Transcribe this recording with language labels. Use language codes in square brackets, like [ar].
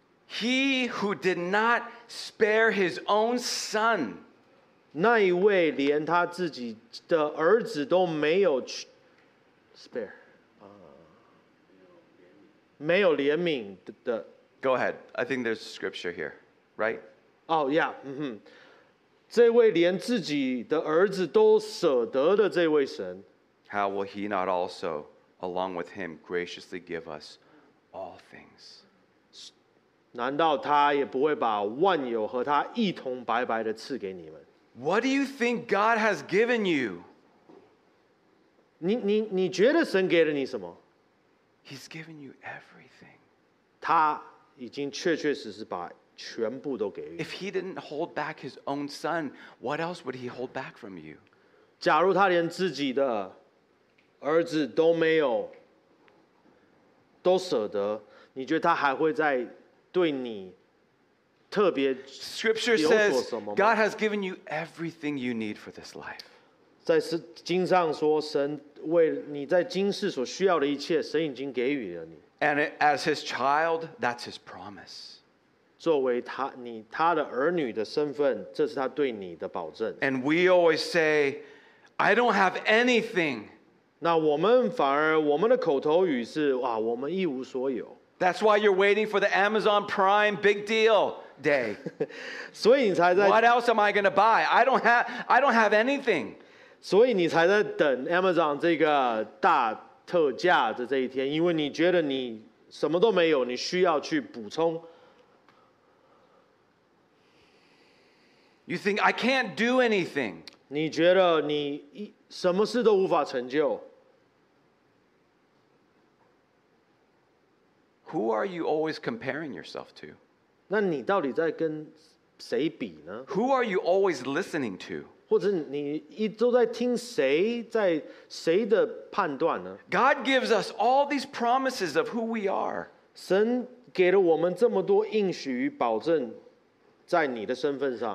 [en] He who did not spare his own son， [zh] 那一位连他自己的儿子都没有 spare， 没有怜悯的。 [en] Go ahead， I think there's scripture here， right？ Oh yeah， [zh] 嗯哼，这位连自己的儿子都舍得的这位神， [en] How will he not also？ Along with him, graciously give us all things. [zh] 难道他也不会把万有和他一同白白的赐给你们？ [en] What do you think God has given you? [zh] 你觉得神给了你什么？ [en] He's given you everything. [zh] 他已经确确实实把全部都给予。 [en] If he didn't hold back his own son, what else would he hold back from you? [zh] 假如他连自己的儿子都没有都舍得，你觉得他还会在对你特别有所什么吗？ [en] Scripture says God has given you everything you need for this life. [zh] 在经上说，神为你在今世所需要的一切，神已经给予了你。 [en] And as his child, that's his promise. [zh] 作为他的儿女的身份，这是他对你的保证。 [en] And we always say, I don't have anything. [zh] 那我们反而我们的口头语是哇，我们一无所有。 [en] That's why you're waiting for the Amazon Prime big deal day. [zh] 所以你才在。 [en] What else am I going to buy? I don't have anything. [zh] 所以你才在等 Amazon 这个大特价的这一天，因为你觉得你什么都没有，你需要去补充。 [en] You think I can't do anything? [zh] 你觉得你什么事都无法成就。 [en] Who are you always comparing yourself to? [zh] 那你到底在跟谁比呢？ [en] Who are you always listening to? [zh] 或者你一直在听谁，在谁的判断呢？ [en] God gives us all these promises of who we are. [zh] 神给了我们这么多应许与保证，在你的身份上。